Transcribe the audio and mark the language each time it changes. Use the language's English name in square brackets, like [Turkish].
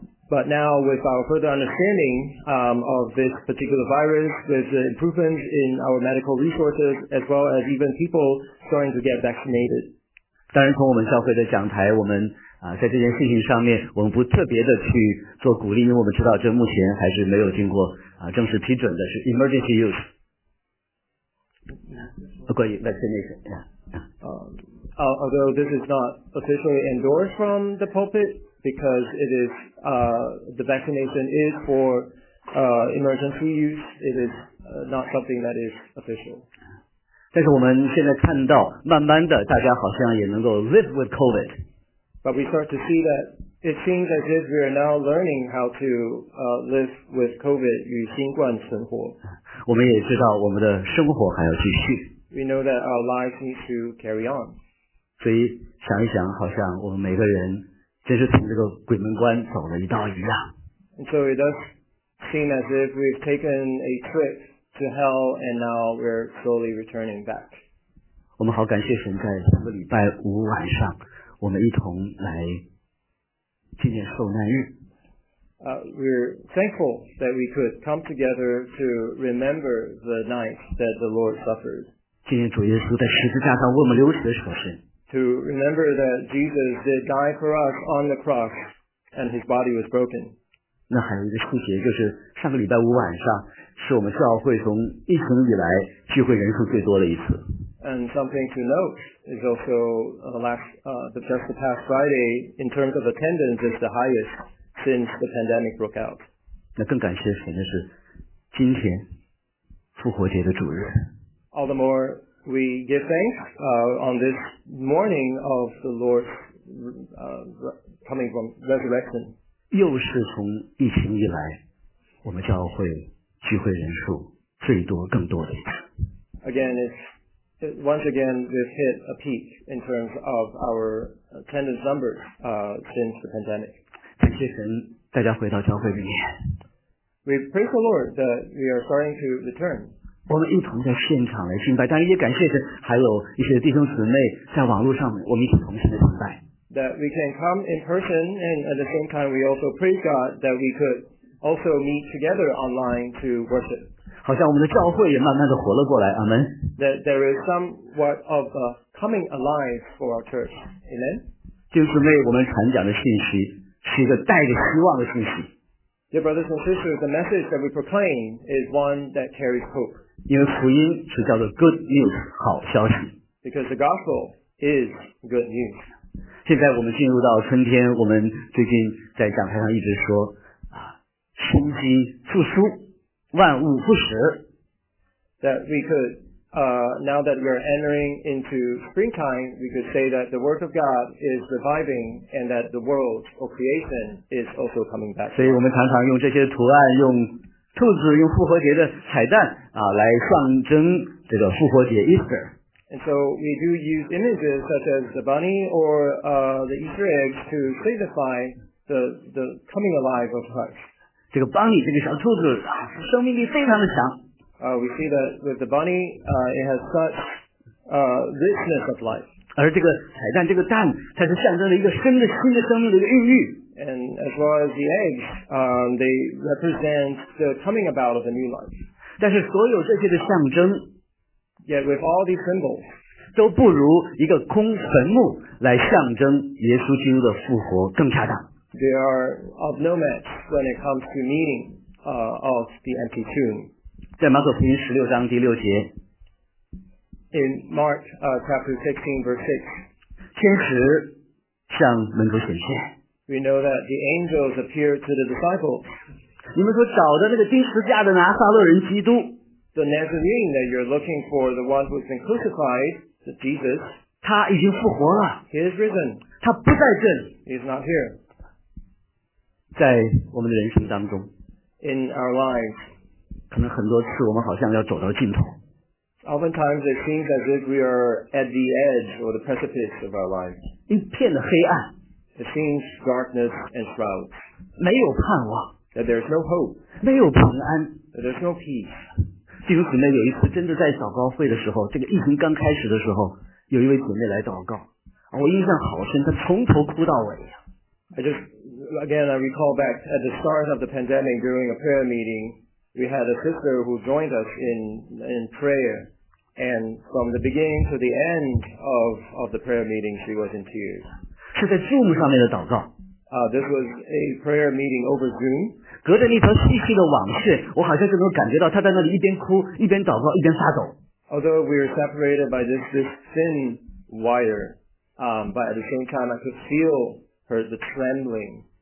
[English] But now with our further understanding of this particular virus, with the improvements in our medical resources, as well as even people starting to get vaccinated. [Chinese] 当然，从我们教会的讲台，我们啊在这件事情上面，我们不特别的去做鼓励，因为我们知道这目前还是没有经过啊正式批准的，是 [English] emergency use。 [Chinese] 关于 vaccination。 [English] Although this is not officially endorsed from the pulpit because it is the vaccination is for emergency use it is not something that is official [Chinese] 但是我们现在看到慢慢的大家好像也能够 [English] live with COVID but we start to see that it seems as if we are now learning how to live with COVID [Chinese] 与新冠生活我们也知道我们的生活还要继续 [English] We know that our lives need to carry on. [Chinese] 所以想一想，好像我们每个人真是从这个鬼门关走了一道一样。 [English] And so it does seem as if we've taken a trip to hell, and now we're slowly returning back. [Chinese] 我们好感谢神，在上个礼拜五晚上，我们一同来纪念受难日。 [English] We're thankful that we could come together to remember the night that the Lord suffered. [Chinese] 纪念主耶稣在十字架上为我们流血的舍身。 [English] To remember that Jesus did die for us on the cross and his body was broken. [Chinese] 那还有一个细节就是上个礼拜五晚上是我们教会从疫情以来聚会人数最多的一次。 [English] And something to note is also just the past Friday in terms of attendance is the highest since the pandemic broke out. [Chinese] 那更感谢神的是今天复活节的主日。 [English] All the more we give thanks on this morning of the Lord's coming from resurrection. [Chinese] 又是从疫情以来，我们教会聚会人数最多更多的一次。 [English] Again, once again, we've hit a peak in terms of our attendance numbers since the pandemic. [Chinese] 感谢神，大家回到教会里面。 [English] We praise the Lord that we are starting to return. [Chinese] 我们一同在现场来敬拜，当然也感谢神，还有一些弟兄姊妹在网络上，我们一起同心的敬拜。 [English] That we can come in person, and at the same time, we also praise God that we could also meet together online to worship. [Chinese] 好像我们的教会也慢慢的活了过来，阿们。 [English] That there is somewhat of a coming alive for our church, amen. [Chinese] 就是为我们传讲的信息是一个带着希望的信息。 [English] Dear brothers and sisters, the message that we proclaim is one that carries hope. [Chinese] 因为福音是叫做 [English] good news, [Chinese] 好消息。 [English] Because the gospel is good news. [Chinese] 现在我们进入到春天，我们最近在讲台上一直说啊，生机复苏。万物复始。 [English] That we could, now that we are entering into springtime, we could say that the word of God is reviving and that the world of creation is also coming back. [Chinese] 所以我们常常用这些图案，用兔子，用复活节的彩蛋啊，来象征这个复活节 Easter. [English] And so we do use images such as the bunny or, the Easter eggs to signify the coming alive of Christ. [Chinese] 这个 bunny 这个小兔子啊，生命力非常的强。 [English] We see that with the bunny, it has such richness of life. [Chinese] 而这个彩蛋，这个蛋，它是象征了一个生的新的生命的一个孕育。 [English] And as well as the eggs, they represent the coming about of a new life. [Chinese] 但是所有这些的象征 [English] ，yet with all these symbols, [Chinese] 都不如一个空坟墓来象征耶稣基督的复活更恰当。 [English] They are of no match when it comes to meaning, of the empty tomb. [Chinese] 在马可福音十六章第六节。 [English] In Mark, chapter 16, verse 6. [Chinese] 天使向门徒显现。 [English] We know that the angels appear to the disciples. [Chinese] 你们所找的那个钉十字架的拿撒勒人基督。 [English] The Nazarene that you're looking for, the one who's been crucified, the Jesus. [Chinese] 他已经复活了。 [English] He is risen. [Chinese] 他不在这里。 [English] He's not here. [Chinese] 在我们的人生当中 [English] ，in our lives， [Chinese] 可能很多次我们好像要走到尽头。 [English] Oftentimes it seems as if we are at the edge or the precipice of our lives。 [Chinese] 一片的黑暗 [English] ，it seems darkness and shrouds。 [Chinese] 没有盼望 [English] ，that there's no hope。 [Chinese] 没有平安 [English] ，that there's no peace。 [Chinese] 弟兄姊妹，有一次真的在祷告会的时候，这个疫情刚开始的时候，有一位姊妹来祷告，我印象好深，她从头哭到尾呀。 [English] Again, I recall back at the start of the pandemic during a prayer meeting, we had a sister who joined us in prayer, and from the beginning to the end of the prayer meeting, she was in tears. [Chinese] 是在 Zoom 上面的祷告。 [English] This was a prayer meeting over Zoom. [Chinese] 隔着那条细细的网线，我好像就能感觉到她在那里一边哭，一边祷告，一边发抖。 [English] Although we were separated by this thin wire, but at the same time, I could feel her the trembling.